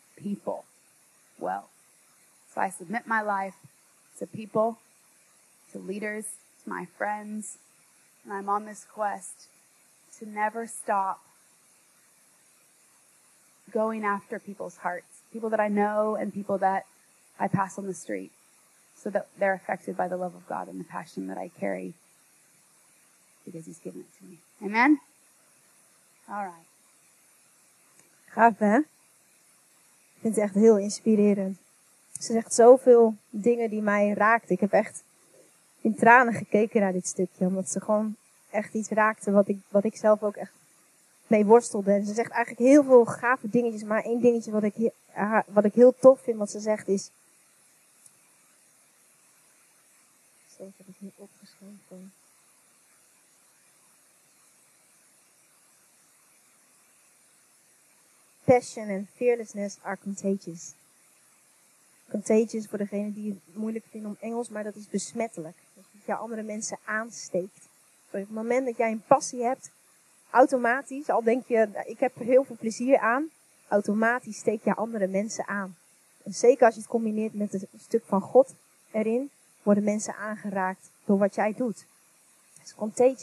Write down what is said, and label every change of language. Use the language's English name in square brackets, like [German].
[English] people well. So I submit my life to people, to leaders, to my friends, and I'm on this quest to never stop going after people's hearts, people that I know and people that I pass on the street, so that they're affected by the love of God and the passion that I carry because he's given it to me. Amen? All right. [Dutch] Gaaf, hè? Ik vind het echt heel inspirerend. Ze zegt zoveel dingen die mij raakt. Ik heb echt in tranen gekeken naar dit stukje. Omdat ze gewoon echt iets raakte wat ik zelf ook echt mee worstelde. En ze zegt eigenlijk heel veel gave dingetjes. Maar één dingetje wat ik heel tof vind wat ze zegt is... Ik heb het niet opgeschreven. [English] Passion en fearlessness are contagious. [Dutch] Contagious voor degene die het moeilijk vindt om Engels, maar dat is besmettelijk. Dat je andere mensen aansteekt. Op het moment dat jij een passie hebt, automatisch, al denk je, ik heb er heel veel plezier aan, automatisch steek je andere mensen aan. En zeker als je het combineert met het stuk van God erin, worden mensen aangeraakt door wat jij doet. Het is contagious.